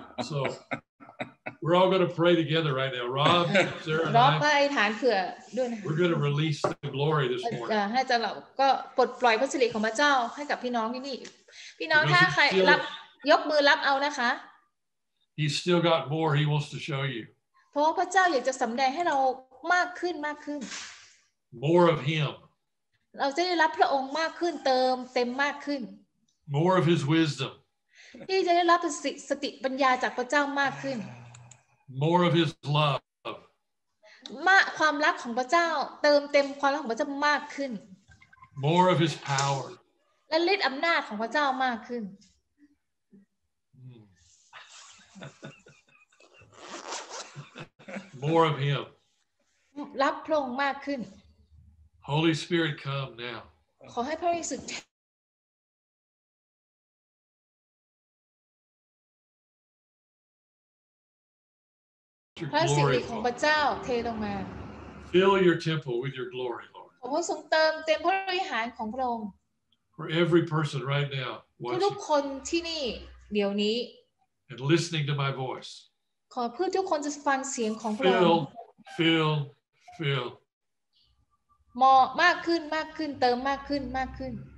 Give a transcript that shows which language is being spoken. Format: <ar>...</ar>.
<en>So we're all going to pray together right now. Rob, Sarah, and I.</en> <th>ฐานเผื่อด้วยนะ</th> <en>We're going to release the glory this morning.</en> <th>ให้เจ้าเราก็ปลดปล่อยพระสิริของพระเจ้าให้กับพี่น้องที่นี่พี่น้องถ้าใครรับยกมือรับเอานะคะ</th> <en>He's still got more he wants to show you.</en> <th>เพราะพระเจ้าอยากจะสำแดงให้เรามากขึ้นมากขึ้น</th> <en>More of him.</en> <th>เราจะได้รับพระองค์มากขึ้นเติมเต็มมากขึ้น</th> <en>More of his wisdom.</en> <th>ที่จะได้รับสติปัญญาจากพระเจ้ามากขึ้น</th> <en>More of His love.</en> <th>มากความรักของพระเจ้าเติมเต็มความรักของพระเจ้ามากขึ้น</th> <en>More of His power.</en> <th>และฤทธิ์อำนาจของพระเจ้ามากขึ้น</th> <en>More of Him.</en> <th>รับพระองค์มากขึ้น</th> <en>Holy Spirit, come now.</en> <th>ขอให้พระวิสุทธิ์พระสิริของพระเจ้าเทลงมา</th> <en>Fill your temple with your glory, Lord.</en> <th>ขอพระองค์เติมเต็มพระวิหารของพระองค์</th> <en>For every person right now,</en> <th>ทุกคนที่นี่เดี๋ยวนี้</th> <en>And listening to my voice.</en> <th>ขอเพื่อทุกคนจะฟังเสียงของพระองค์</th> <en>Fill.</en> <th>มอมากขึ้นมากขึ้นเติมมากขึ้นมากขึ้น</th>